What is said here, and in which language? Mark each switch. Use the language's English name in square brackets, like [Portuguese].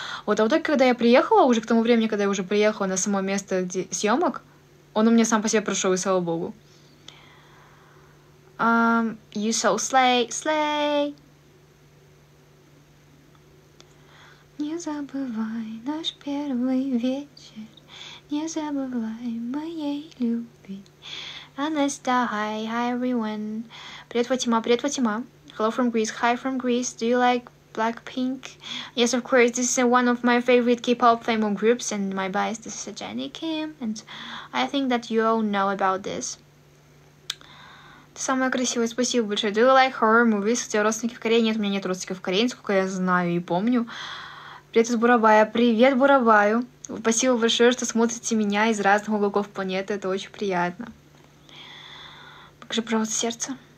[Russian] Вот, а вот так, когда я приехала, уже к тому времени, когда я уже приехала на само место съемок, он у меня сам по себе прошел, и слава богу. [English] You so slay, slay. [Russian] Не забывай наш первый вечер, не забывай моей любви. [English] Анаста, hi, hi everyone. [Russian] Привет, Фатима, привет, Фатима. [English] Hello from Greece, hi from Greece. Do you like Blackpink? Yes, of course, this is one of my favorite K-pop famous groups, and my bias, this is a Jenny Kim, and I think that you all know about this. [Russian] Самая красивая, спасибо большое. [English] Do you like horror movies? [Russian] У тебя родственники в Корее? Нет, у меня нет родственников в Корее, сколько я знаю и помню. Привет из Бурабая. Привет, Бурабаю. Спасибо большое, что смотрите меня из разных уголков планеты. Это очень приятно. Покажи, пожалуйста, сердце.